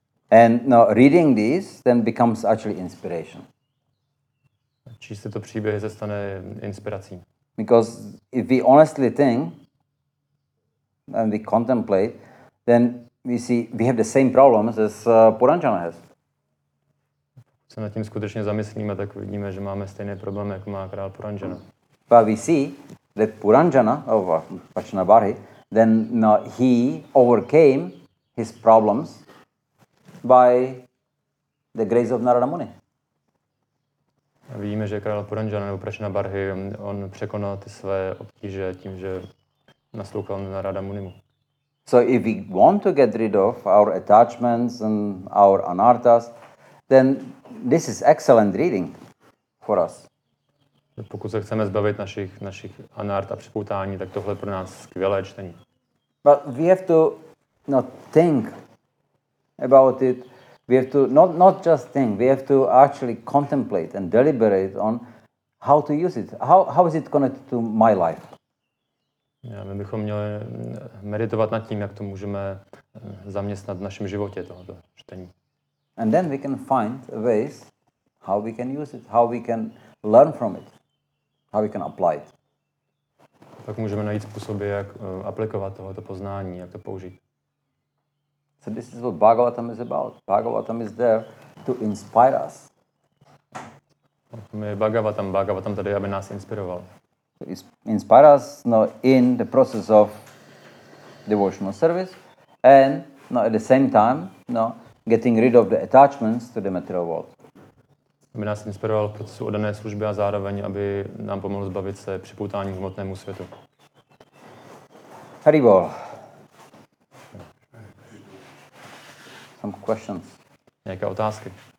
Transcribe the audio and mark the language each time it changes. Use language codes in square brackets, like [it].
[en] And no, reading this then becomes actually inspiration. [cs] Číst tyto příběhy se stane inspirací. [en] Because if we honestly think and we contemplate, then we see we have the same problems as Puranjana has. [cs] Se nad tím skutečně zamyslíme, tak vidíme, že máme stejné problémy, jak má král Puranjana. [en] But we see that Puranjana of Vachanabhari, then he overcame his problems by the grace of Narada Muni. [cs] Víme, že král Puranjana nebo Vachanabhari, on překonal ty své obtíže tím, že naslouchal Narada Munimu. [en] So if we want to get rid of our attachments and our anarthas, then this is excellent reading for us. [cs] Pokud se chceme zbavit našich anart a připoutání, tak tohle je pro nás skvělé čtení. [en] But we have to not think about it. We have to not just think. We have to actually contemplate and deliberate on how to use it. How is it connected to my life? [cs] Já, my bychom měli meditovat nad tím, jak to můžeme zaměstnat v našem životě tohoto čtení. [en] And then we can find ways how we can use it, how we can learn from it. How we can apply it. [cs] Tak můžeme najít způsoby, jak aplikovat tohoto poznání, jak to použít. [en] So this is what Bhagavatam is about. Bhagavatam is there to inspire us. [cs] My Bhagavatam tady, aby nás inspiroval. [en] To inspire us in the process of devotional service and at the same time getting rid of the attachments to the material world. [cs] Aby nás inspiroval v procesu oddané služby a zároveň, aby nám pomohl zbavit se připoutání k hmotnému světu. [en] Hari Bol. Some questions. [cs] Nějaké otázky?